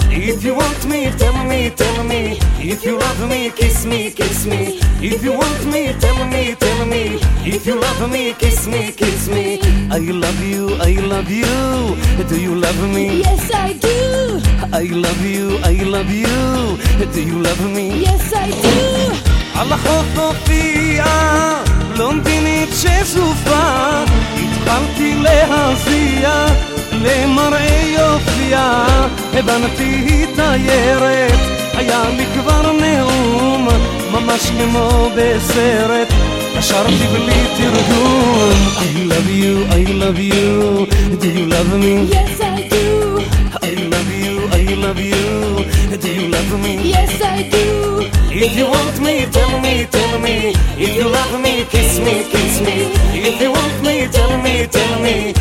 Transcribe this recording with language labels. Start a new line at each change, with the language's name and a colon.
English: If you want me, tell me, tell me. If you love me, kiss me, kiss me. If you want me, tell me, tell me. If you love me, kiss me, kiss me. I love you, I love you, do you love me? Yes, I do. I love you, I love you, do you love me? Yes, I do.
Hebrew: על החוף הופיעה בלונדינית שזופה התחלתי להזיע למראה יופיה הבנתי התיירת היה לי כבר נאום ממש כמו בסרט השארתי בלי תרגום
English: I love you, I love you Do you love me? Yes, I do I love you, I love you Do you love me? Yes, I do If you want me, tell me, tell me. If you love me, kiss me, kiss me. If you want me, tell me, tell me.